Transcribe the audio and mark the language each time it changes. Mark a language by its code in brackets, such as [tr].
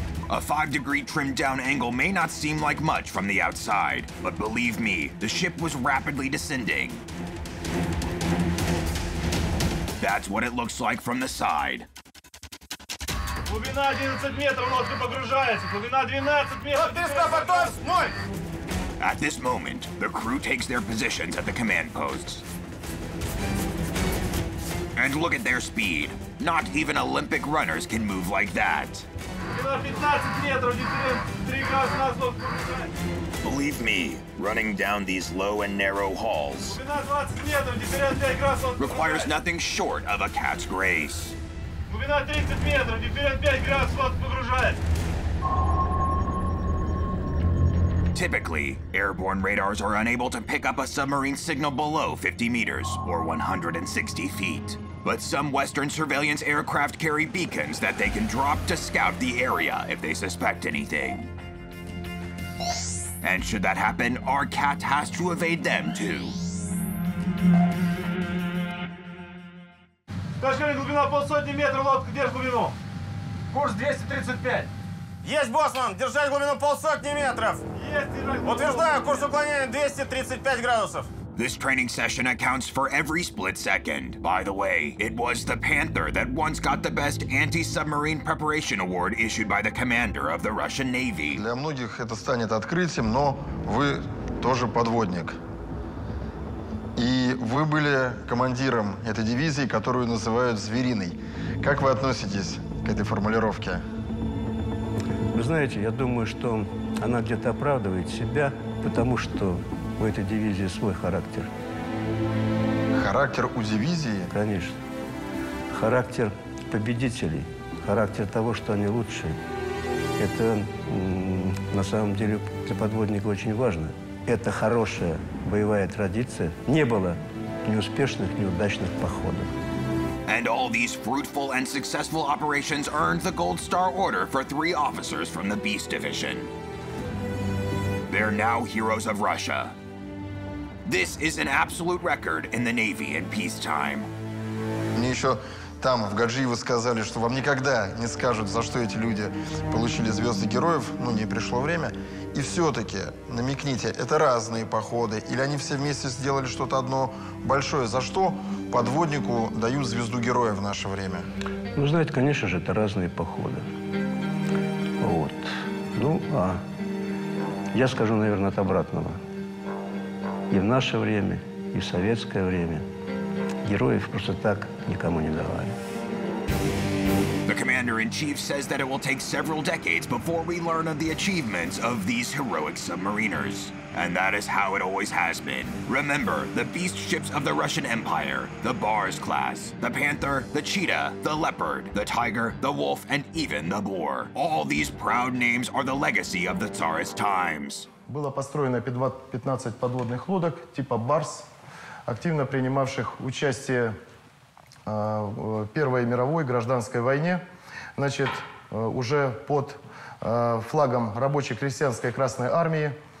[en] A 5-degree trimmed down angle may not seem like much from the outside, but believe me, the ship was rapidly descending. That's what it looks like from the side. [ru] Глубина 11 метров, нос не погружается. Глубина 12 метров. 300, готовь, ноль. [en] At this moment, the crew takes their positions at the command posts. And look at their speed. Not even Olympic runners can move like that. [ru] 15 метров, дифферент 3 градуса на нос. [en] Believe me, running down these low and narrow halls [ru] 20 метров, дифферент 5 градусов. [en] Requires nothing short of a cat's grace. [ru] Глубина 30 метров, дифферент 5 градусов, вот погружает. [en] Typically, airborne radars are unable to pick up a submarine signal below 50 meters or 160 feet. But some Western surveillance aircraft carry beacons that they can drop to scout the area if they suspect anything. And should that happen, our cat has to evade them too. [ru] Товарищ, глубина полсотни метров, лодка, держи глубину. Курс 235. Есть, боссман, держать глубину полсотни метров. Есть, держать. Утверждаю, курс уклонения 235 градусов. [en] This training session accounts for every split second. By the way, it was the Panther that once got the best anti-submarine preparation award issued by the commander of the Russian Navy. [ru] Для многих это станет открытием, но вы тоже подводник. И вы были командиром этой дивизии, которую называют «звериной». Как вы относитесь к этой формулировке? Вы знаете, я думаю, что она где-то оправдывает себя, потому что у этой дивизии свой характер. Характер у дивизии? Конечно. Характер победителей, характер того, что они лучшие. Это на самом деле для подводника очень важно. Это хорошая боевая традиция. Не было неуспешных, неудачных походов. [en] And all these fruitful and successful operations earned the Gold Star Order for three officers from the Beast Division. They're now heroes of Russia. This is an absolute record in the Navy in peacetime. [ru] Мне еще там, в Гаджиево, сказали, что вам никогда не скажут, за что эти люди получили звезды героев. Ну, не пришло время. И все-таки, намекните, это разные походы, или они все вместе сделали что-то одно большое? За что подводнику дают звезду героя в наше время? Ну, знаете, конечно же, это разные походы. Вот. Ну, а я скажу, наверное, от обратного. И в наше время, и в советское время героев просто так никому не давали. [en] The Commander-in-Chief says that it will take several decades before we learn of the achievements of these heroic submariners. And that is how it always has been. Remember, the beast ships of the Russian Empire, the Bars class, the Panther, the Cheetah, the Leopard, the Tiger, the Wolf, and even the Boar. All these proud names are the legacy of the Tsarist times. [ru] Было построено 15 подводных лодок типа «Барс», активно принимавших участие в Первой мировой гражданской войне. Значит, уже под флагом рабочей крестьянской Красной армии.